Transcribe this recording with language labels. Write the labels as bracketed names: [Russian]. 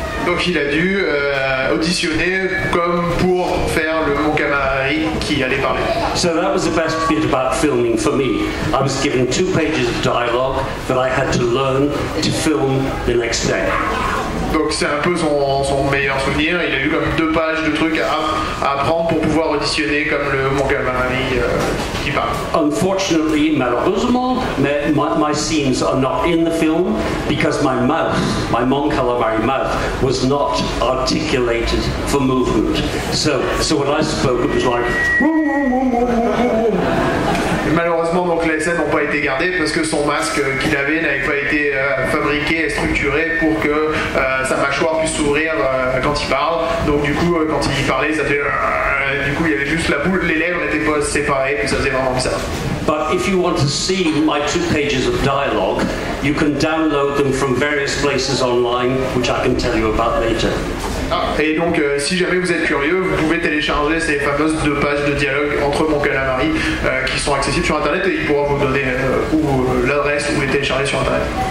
[French] Donc il a dû auditionner comme pour faire le Mon Calamari qui allait parler. [English] So that was the best bit about filming for me. I was given two pages of dialogue that I had to learn to film the next day. [French] Donc c'est un peu son meilleur souvenir, il a eu comme deux pages de trucs à apprendre pour pouvoir auditionner comme le Mon Calamari qui parle. [English] Unfortunately, [French] malheureusement, [English] my scenes are not in the film because my Mon Calamari mouth, was not articulated for movement. So when I spoke, it was like... [French] Malheureusement, donc, les scènes n'ont pas été gardées parce que son masque qu'il avait n'avait pas été fabriqué et structuré pour que sa mâchoire puisse s'ouvrir quand il parle. Donc du coup, quand il parlait, ça fait... Du coup, il y avait juste la boule, les lèvres n'étaient pas séparées, puis ça faisait vraiment bizarre. [English] But if you want to see my two pages of dialogue, you can download them from various places online, which I can tell you about later. [French] Ah, et donc, si jamais vous êtes curieux, vous pouvez télécharger ces fameuses deux pages de dialogue entre Mon Calamari qui sont accessibles sur Internet, et il pourra vous donner l'adresse où les télécharger sur Internet.